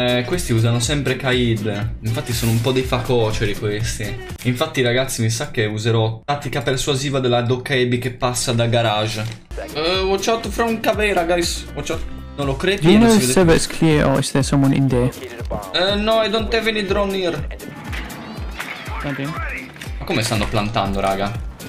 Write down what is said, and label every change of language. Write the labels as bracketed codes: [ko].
[it] Questi usano sempre Kaid. Infatti sono un po' dei facoceri questi. Infatti ragazzi, mi sa che userò tattica persuasiva della Dokkaebi che passa da garage. [en] Watch out from Caveira, guys. Watch out. [it] Non lo credo. [en] Do you know if the server is clear or is there someone in there? No, I don't have any drone here. Okay. [it] Ma come stanno plantando, raga?